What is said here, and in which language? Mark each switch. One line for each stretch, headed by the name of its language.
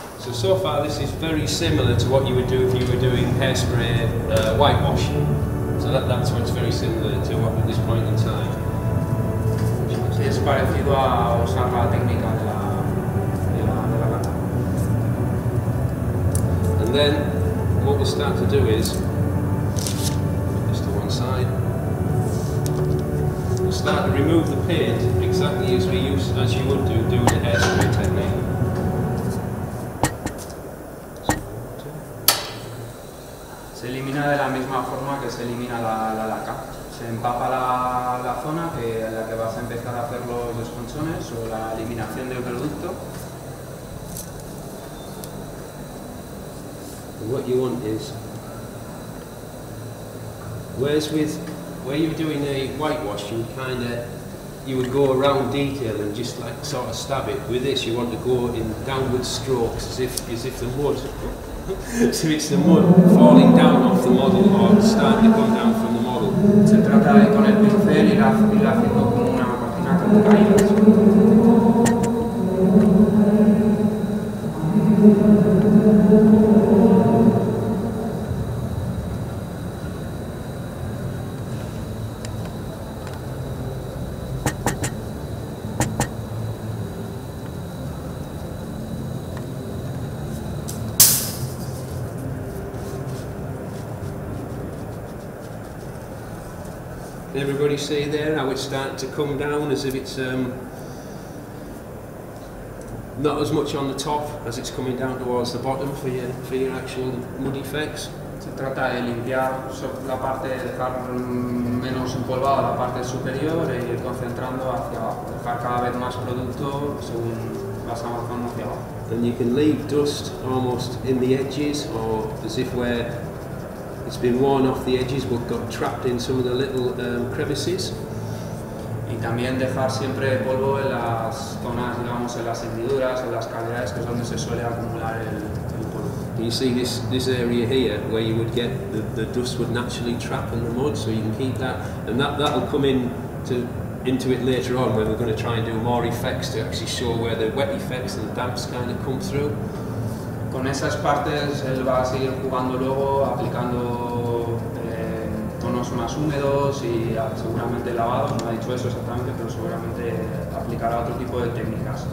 English: So far, this is very similar to what you would do if you were doing hairspray whitewash. So that's what's very similar to what at this point in time.
Spanish: Es parecido a usar la técnica de la lata.
English: And then what we'll start to do is put this to one side. We'll start to remove the paint exactly as you would do the hairspray technique.
Spanish: Elimina de la misma forma que se elimina la laca. Se empapa la zona en la que vas a empezar a hacer los desconchones o la eliminación del producto.
English: What you want is, whereas with where you're doing a whitewash, you kind of you would go around detail and just like sort of stab it. With this, you want to go in downward strokes, as if the wood. So it's the mud falling down off the model or starting to come down from the model.
Spanish: Se trata de con el pincel ir haciendo como una cortina con caídas.
English: Everybody see there how it's starting to come down as if it's not as much on the top as it's coming down towards the bottom for your actual mud effects.
Spanish: Se trata de limpiar la parte, dejar menos empolvada la parte superior e ir concentrando hacia abajo, dejar cada vez más producto según vas avanzando hacia abajo.
English: And you can leave dust almost in the edges or as if where it's been worn off the edges but got trapped in some of the little crevices.
Spanish: Y también dejar siempre polvo en las zonas, digamos, en las hendiduras, en las cavidades, que es donde se suele acumular el polvo.
English: Can you see this area here where you would get the dust would naturally trap in the mud, so you can keep that. And that will come into it later on when we're going to try and do more effects to actually show where the wet effects and the damps kind of come through.
Spanish: Con esas partes él va a seguir jugando luego, aplicando tonos más húmedos y seguramente lavados, no ha dicho eso exactamente, pero seguramente aplicará otro tipo de técnicas.